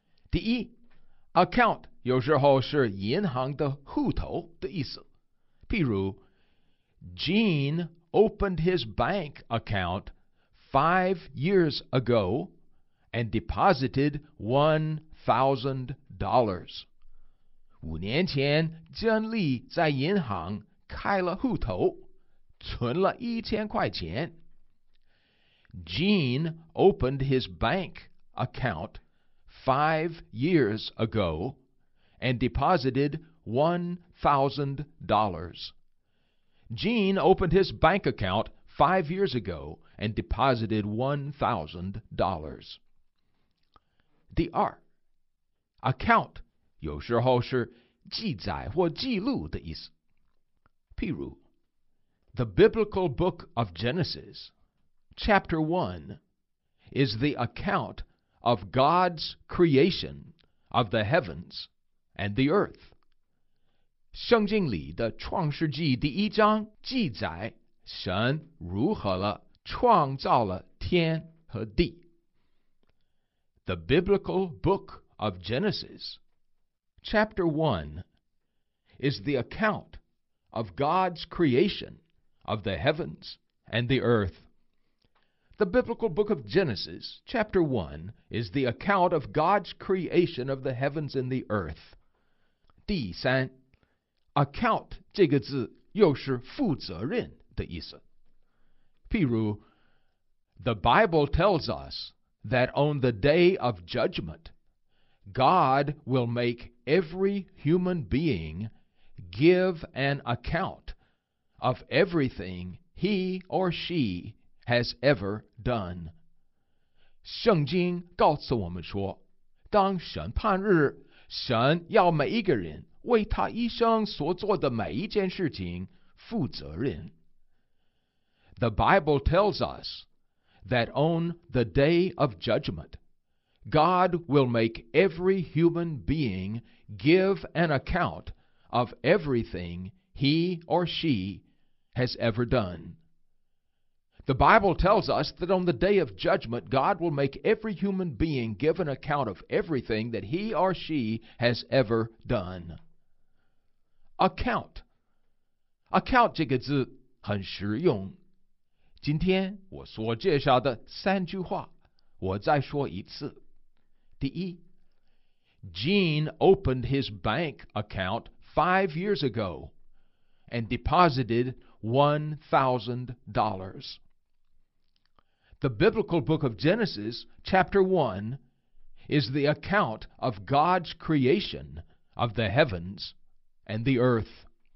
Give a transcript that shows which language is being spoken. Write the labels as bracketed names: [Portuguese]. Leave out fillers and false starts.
[Chinese] 第一， account 有时候是银行的户头的意思，譬如 [English] Gene opened his bank account 5 years ago and deposited $1,000. [Chinese] 五年前，珍妮在银行开了户头，存了$1,000。 [English] Gene opened his bank account 5 years ago and deposited $1,000. Gene opened his bank account 5 years ago and deposited $1,000. [Chinese] 第二， account 有时候是记载或记录的意思。譬如， [English] The biblical book of Genesis, chapter 1, is the account of God's creation of the heavens and the earth. [Chinese] 圣经里的创世纪第一章记载神如何了创造了天和地。 [English] The biblical book of Genesis, chapter 1, is the account of God's creation of the heavens and the earth. The biblical book of Genesis, chapter 1, is the account of God's creation of the heavens and the earth. [Chinese] 第三，Account 这个字又是负责任的意思。譬如， [English] The Bible tells us that on the day of judgment, God will make every human being give an account of everything he or she has ever done. [Chinese] 圣经告诉我们说，当审判日，神要每一个人为他一生所做的每一件事情负责任。 [English] The Bible tells us that on the day of judgment, God will make every human being give an account of everything he or she has ever done. The Bible tells us that on the day of judgment, God will make every human being give an account of everything that he or she has ever done. [Chinese] Account， account 这个字很实用。今天我所介绍的三句话我再说一次。第一， [English] Gene opened his bank account 5 years ago and deposited $1,000. The biblical book of Genesis chapter 1 is the account of God's creation of the heavens and the earth.